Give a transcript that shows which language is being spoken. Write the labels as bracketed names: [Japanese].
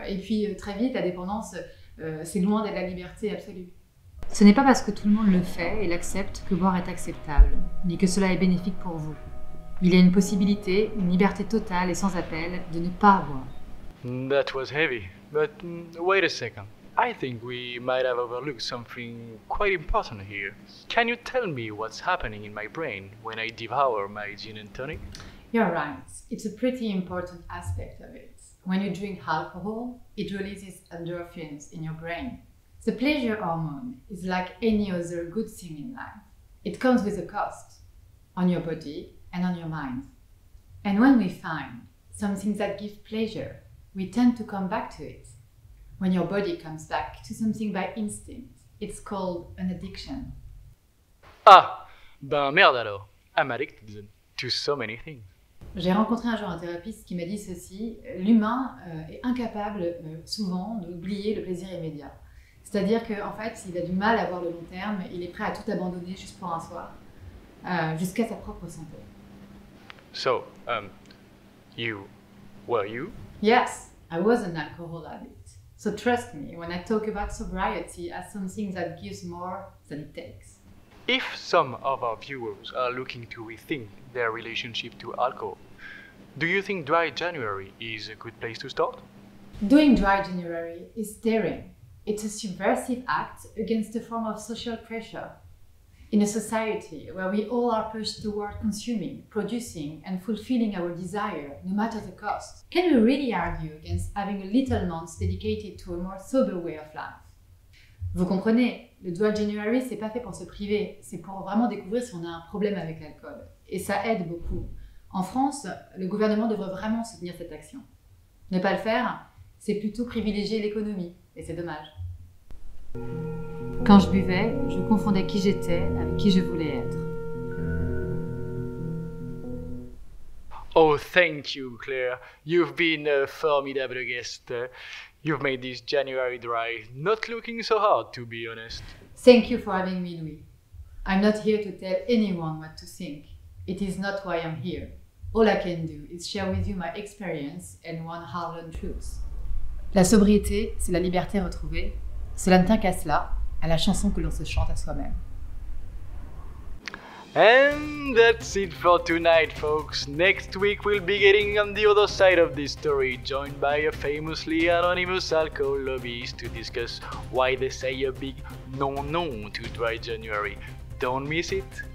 [French] Et puis, très vite, la dépendance, c'est loin d'être la liberté absolue. Ce n'est pas parce que tout le monde le fait et l'accepte que boire est acceptable, ni que cela est bénéfique pour vous. Il y a une possibilité, une liberté totale et sans appel, de ne pas boire. [English] That was heavy, but wait a second. I think we might have overlooked something quite important here. Can you tell me what's happening in my brain when I devour my gin and tonic? You're right. It's a pretty important aspect of it. When you drink alcohol, it releases endorphins in your brain. The pleasure hormone is like any other good thing in life. It comes with a cost on your body and on your mind. And when we find something that gives pleasure, we tend to come back to it. When your body comes back to something by instinct, it's called an addiction. [French] Ah, ben merde alors. [English] I'm addicted to so many things. [French] J'ai rencontré un jour un thérapeute qui m'a dit ceci. L'humain est incapable, souvent, d'oublier le plaisir immédiat. C'est-à-dire qu'en fait, il a du mal à voir le long terme, il est prêt à tout abandonner juste pour un soir, jusqu'à sa propre santé. [English] So, you were you? Yes, I was an alcohol addict. So trust me, when I talk about sobriety as something that gives more than it takes. If some of our viewers are looking to rethink their relationship to alcohol, do you think Dry January is a good place to start? Doing Dry January is daring. It's a subversive act against a form of social pressure. In a society where we all are pushed toward consuming, producing, and fulfilling our desire, no matter the cost, can we really argue against having a little month dedicated to a more sober way of life? [French] Vous comprenez, le Dry January, c'est pas fait pour se priver, c'est pour vraiment découvrir si on a un problème avec l'alcool. Et ça aide beaucoup. En France, le gouvernement devrait vraiment soutenir cette action. Ne pas le faire, c'est plutôt privilégier l'économie, et c'est dommage. Quand je buvais, je confondais qui j'étais avec qui je voulais être. [English] Oh, thank you, Claire. You've been a formidable guest. You've made this January dry not looking so hard, to be honest. Thank you for having me, Louis. I'm not here to tell anyone what to think. It is not why I'm here. All I can do is share with you my experience and one hard-learned truth. [French] La sobriété, c'est la liberté retrouvée. Cela ne tient qu'à cela. À la chanson que l'on se chante à soi-même. [English] And that's it for tonight, folks. Next week, we'll be getting on the other side of this story, joined by a famously anonymous alcohol lobbyist to discuss why they say a big non-non to Dry January. Don't miss it.